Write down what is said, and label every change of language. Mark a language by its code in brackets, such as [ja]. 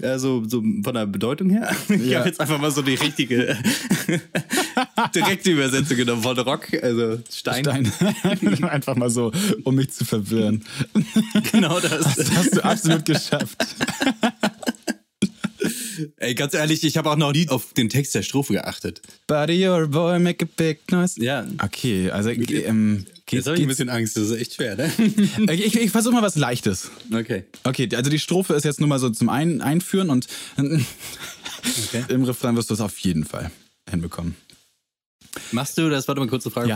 [de] Also so von der Bedeutung her. Ich habe jetzt einfach mal so die richtige direkte Übersetzung genommen von Rock, also Stein. Einfach mal so, um mich zu verwirren. Genau das. Das hast du absolut geschafft. Ey, ganz ehrlich, ich habe auch noch nie auf den Text der Strophe geachtet. [en] Buddy, your boy, make a big noise. [de] Ja. Okay, also jetzt habe ich ein bisschen Angst, das ist echt schwer, ne? Ich versuche mal was Leichtes. Okay. Okay, also die Strophe ist jetzt nur mal so zum Einführen und okay. Im Refrain wirst du es auf jeden Fall hinbekommen. Machst du, das war doch eine kurze Frage, ja,